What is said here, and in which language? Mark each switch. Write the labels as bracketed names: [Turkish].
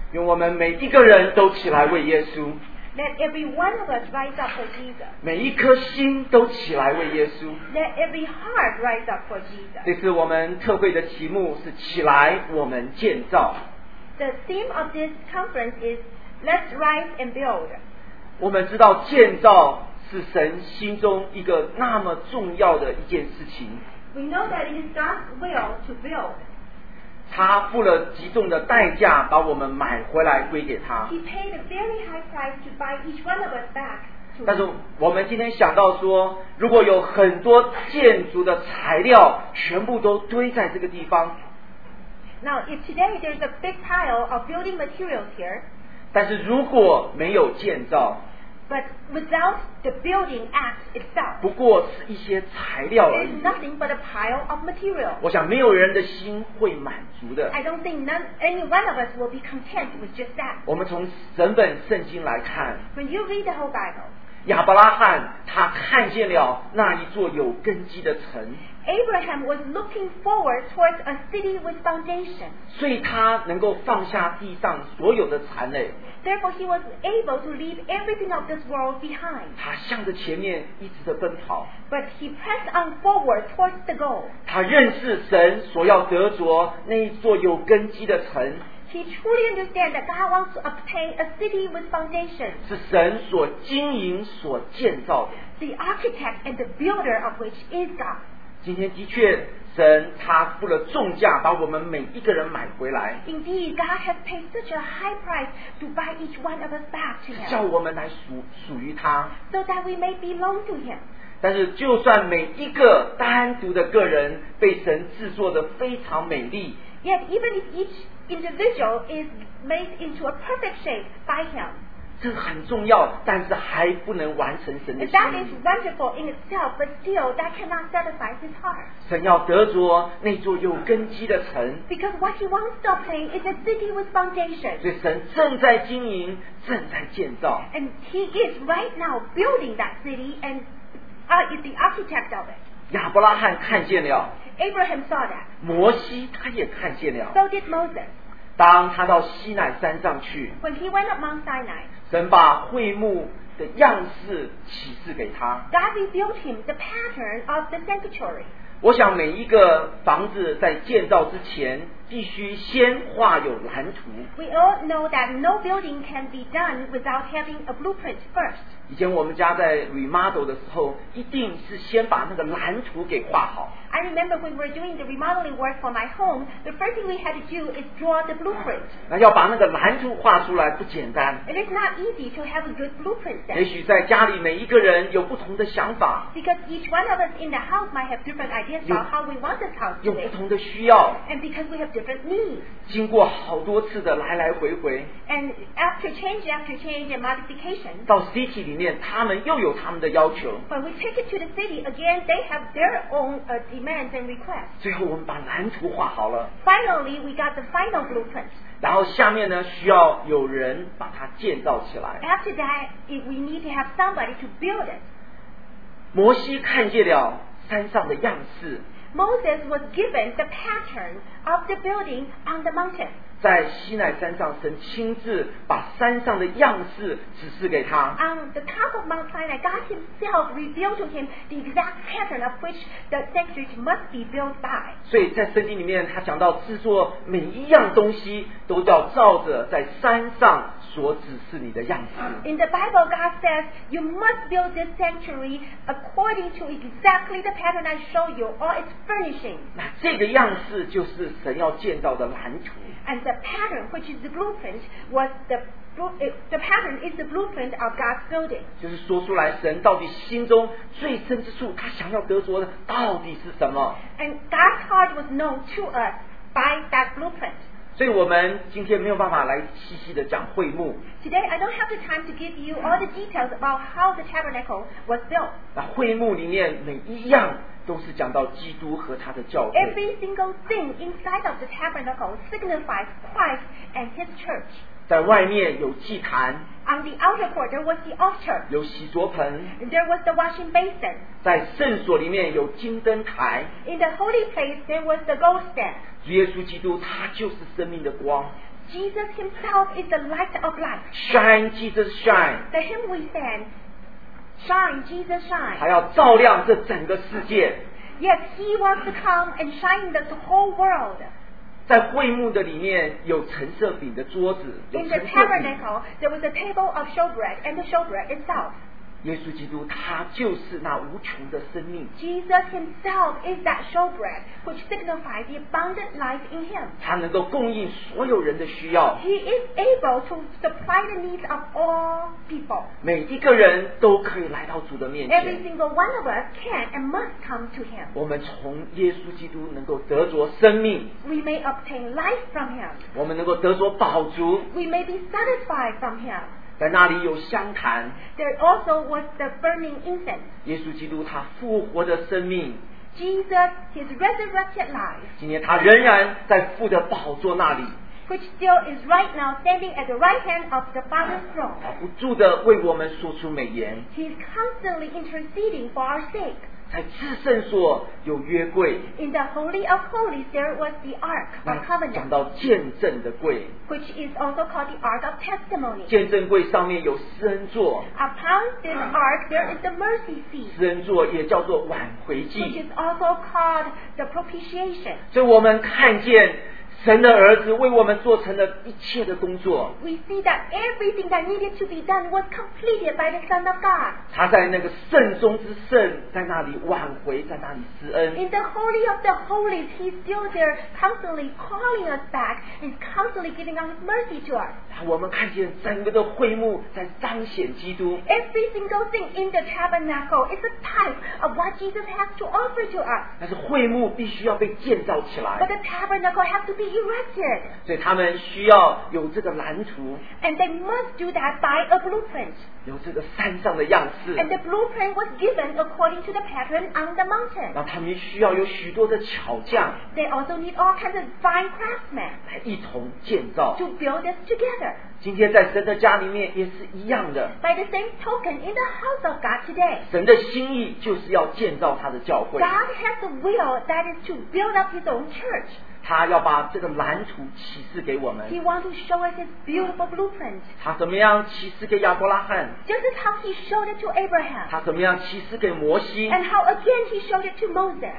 [Chinese] 用我们每一个人都起来为耶稣。 [English] Let every one of us rise up for Jesus. [Chinese] 每一颗心都起来为耶稣。 [English] Let every heart rise up for Jesus. [Chinese] 这是我们特会的题目，是起来，我们建造。 [English] The theme of this conference is Let's rise and build. [Chinese] 我们知道建造是神心中一个那么重要的一件事情。 [English] We know that it is God's will to build. [Chinese] 他付了极重的代价把我们买回来归给他。 [English] He paid a very high price to buy each one of us back. [Chinese] 但是我们今天想到说，如果有很多建筑的材料全部都堆在这个地方。 [English] Now, if today there's a big pile of building materials here, [Chinese] 但是如果没有建造， [English] but without the building act itself, [Chinese] 不过是一些材料而已， [English] there's nothing but a pile of material. [Chinese] 我想没有人的心会满足的。 [English] I don't think any one of us will be content with just that. [Chinese] 我们从整本圣经来看， [English] when you read the whole Bible, [Chinese] 亚伯拉罕他看见了那一座有根基的城。 [English] Abraham was looking forward towards a city with foundation. [Chinese] 所以他能够放下地上所有的残垒。 [English] Therefore, he was able to leave everything of this world behind. [Chinese] 他向着前面一直的奔跑。 [English] But he pressed on forward towards the goal. [Chinese] 他认识神所要得着那一座有根基的城。 [English] He truly understands that God wants to obtain a city with foundation. [Chinese] 是神所经营所建造的。 [English] The architect and the builder of which is God. [Chinese] 今天的确神他付了重价把我们每一个人买回来。 [English] Indeed, God has paid such a high price to buy each one of us back to him. [Chinese] 叫我们来 属于他。 [English] So that we may belong to him. [Chinese] 但是就算每一个单独的个人被神制作得非常美丽， [English] Yet even if each individual is made into a perfect shape by him, [Chinese] 这很重要，但是还不能完成神的心意。 [English] That is wonderful in itself, but still that cannot satisfy his heart. [Chinese] 神要得着那座有根基的城。 [English] Because what he wants to obtain is a city with foundation. [Chinese] 所以神正在经营，正在建造。 [English] And he is right now building that city and is the architect of it. [Chinese] 亚伯拉罕看见了。 [English] Abraham saw that. [Chinese] 摩西他也看见了。 [English] So did Moses. [Chinese] 当他到西乃山上去。 [English] When he went up Mount Sinai. [Chinese] 神把会幕的样式启示给他。 [English] God revealed him the pattern of the sanctuary. [Chinese] 我想每一个房子在建造之前必须先画有蓝图。 [English] We all know that no building can be done without having a blueprint first. [Chinese] 以前我们家在 remodel 的时候，一定是先把那个蓝图给画好。 [English] I remember when we were doing the remodeling work for my home, the first thing we had to do is draw the blueprint. [Chinese] 那要把那个蓝图画出来不简单。 [English] It is not easy to have a good blueprint then. [Chinese] 也许在家里每一个人有不同的想法。 [English] Because each one of us in the house might have different ideas about how we want this house to be. [Chinese] 有不同的需要。 [English] And because we have different needs. [Chinese] 经过好多次的来来回回。 [English] And after change and modification. [Chinese] 到 city 里面，他们又有他们的要求。 [English] When we take it to the city again, they have their own demands. And request. [Chinese] 最后我们把蓝图画好了。 [English] Finally, we got the final blueprint. [Chinese] 然后下面呢，需要有人把它建造起来。 [English] After that, we need to have somebody to build it. [Chinese] 摩西看见了山上的样式。 [English] Moses was given the pattern of the building on the mountain. [Chinese] 在西乃山上，神亲自把山上的样式指示给他。 [English] On the top of Mount Sinai, God Himself revealed to him the exact pattern of which the sanctuary must be built by. [Chinese] 所以在圣经里面，他讲到制作每一样东西都要照着在山上所指示你的样式。 [English] In the Bible, God says you must build this sanctuary according to exactly the pattern I show you, or its furnishing. [Chinese] 那这个样式就是神要建造的蓝图。 [English] And the pattern, which is the blueprint, was the pattern is the blueprint of God's building. [Chinese] 就是说出来，神到底心中最深之处，他想要得着的到底是什么 [English] ？And God's heart was known to us by that blueprint. [Chinese] 所以我们今天没有办法来细细的讲会幕。 Today I don't have the time to give you all the details about how the tabernacle was built. 那会幕里面每一样。都是讲到基督和他的教会。 [English] Every single thing inside of the tabernacle signifies Christ and His church. [Chinese] 在外面有祭坛。 [English] On the outer court, there was the altar. [Chinese] 有洗濯盆。 [English] There was the washing basin. [Chinese] 在圣所里面有金灯台。 [English] In the holy place, there was the golden. [Chinese] 耶稣基督他就是生命的光。 [English] Jesus Himself is the light of life. Shine, Jesus, shine. The hymn we sang, Shine, Jesus, shine. [Chinese] 他要照亮这整个世界。 [English] Yes, He wants to come and shine the whole world. [Chinese] 在会幕的里面有陈设饼的桌子。 [English] In the tabernacle, there was a table of showbread and the showbread itself. [Chinese] 耶稣基督他就是那无穷的生命。 [English] Jesus Himself is that showbread, which signifies the abundant life in Him. [Chinese] 他能够供应所有人的需要。 [English] He is able to supply the needs of all people. [Chinese] 每一个人都可以来到主的面前。 [English] Every single one of us can and must come to Him. [Chinese] 我们从耶稣基督能够得着生命。 [English] We may obtain life from Him. [Chinese] 我们能够得着饱足。 [English] We may be satisfied from Him. [Chinese] 在那里有香坛。 [English] There also was the burning incense. [Chinese] 耶稣基督他复活的生命。 [English] Jesus, his resurrected life. [Chinese] 今天他仍然在父的宝座那里。 [English] Which still is right now standing at the right hand of the Father's throne. [Chinese] 他不住地为我们说出美言。 [English] He's constantly interceding for our sake. [Chinese] 在至圣所有约柜。 [English] In the holy of holies, there was the ark of covenant. [Chinese] 讲到见证的柜。 [English] Which is also called the ark of testimony. [Chinese] 见证柜上面有施恩座。 [English] Upon this ark, there is the mercy seat. [Chinese] 施恩座也叫做挽回祭。 [English] Which is also called the propitiation. [Chinese] 所以我们看见神的儿子为我们做成了一切的工作。 [English] We see that everything that needed to be done was completed by the Son of God. [Chinese] 他在那个圣中之圣，在那里挽回，在那里施恩。 [English] In the holy of the holies, he's still there, constantly calling us back, and constantly giving us mercy to us. [Chinese] 我们看见整个的会幕在彰显基督。 [English] Every single thing in the tabernacle is a type of what Jesus has to offer to us. [Chinese] 但是会幕必须要被建造起来。 [English] But the tabernacle has to be erected. [Chinese] 所以他们需要有这个蓝图。 [English] And they must do that by a blueprint. [Chinese] 有这个山上的样式。 [English] And the blueprint was given according to the pattern on the mountain. [Chinese] 那他们需要有许多的巧匠。 [English] They also need all kinds of fine craftsmen. [Chinese] 来一同建造。 [English] To build this together. [Chinese] 今天在神的家里面也是一样的。 [English] By the same token, in the house of God today. [Chinese] 神的心意就是要建造他的教会。 [English] God has a will that is to build up his own church. [Chinese] 他要把这个蓝图启示给我们。 [English] He wants to show us his beautiful blueprint. [Chinese] 他怎么样启示给亚伯拉罕？ [English] Just as how he showed it to Abraham. [Chinese] 他怎么样启示给摩西？ [English] And how again he showed it to Moses.